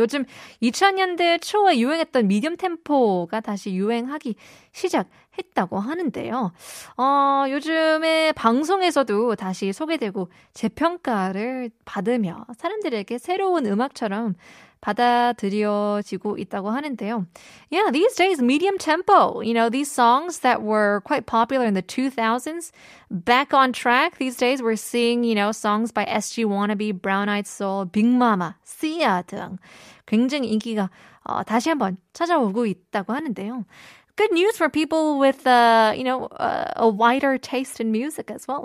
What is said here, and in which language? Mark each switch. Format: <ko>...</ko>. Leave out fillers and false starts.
<ko>요즘 2000년대 초에 유행했던 미디엄 템포가 다시 유행하기 시작했다고 하는데요. 요즘에 방송에서도 다시 소개되고 재평가를 받으며 사람들에게 새로운 음악처럼 받아들여지고 있다고 하는데요.</ko> <en>Yeah, these days, medium tempo. You know, these songs that were quite popular in the 2000s, back on track these days, we're seeing, you know, songs by SG Wannabe, Brown Eyed Soul, Big Mama, Sia 등</en> <ko>굉장히 인기가 다시 한번 찾아오고 있다고 하는데요.</ko> <en>Good news for people with, a wider taste in music as well.</en>